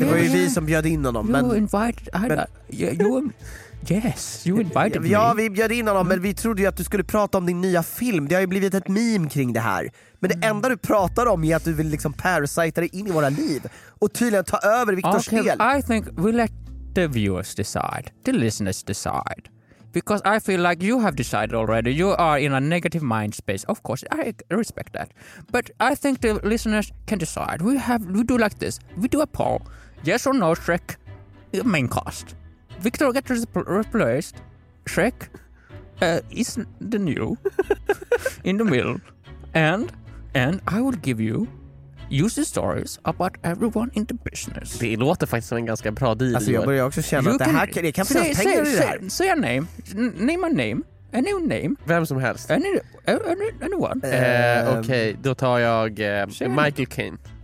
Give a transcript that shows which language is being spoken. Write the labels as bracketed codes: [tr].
[sv] Det var ju vi som bjöd in honom. [en] You invited. Yes, you invited me. [sv] Ja, vi bjöd in honom, men vi trodde ju att du skulle prata om din nya film. Det har ju blivit ett meme kring det här. Men det enda du pratar om är att du vill liksom parasita dig in i våra liv och tydligen ta över Victors [en] okay, [sv] del. [en] I think we let the viewers decide, the listeners decide. Because I feel like you have decided already. You are in a negative mind space. Of course, I respect that. But I think the listeners can decide. We do like this. We do a poll. Yes or no, Shrek? Main cast. Victor gets replaced. Shrek is the new in the middle. And I will give you use the stories about everyone in the business. [sv] Det låter faktiskt som en ganska bra deal. Alltså, jag börjar också känna att det kan finnas pengar i det här. [en] Say a name. Any name. [sv] Vem som helst. [en] Anyone. [sv] Okej, okay, då tar jag Michael Caine.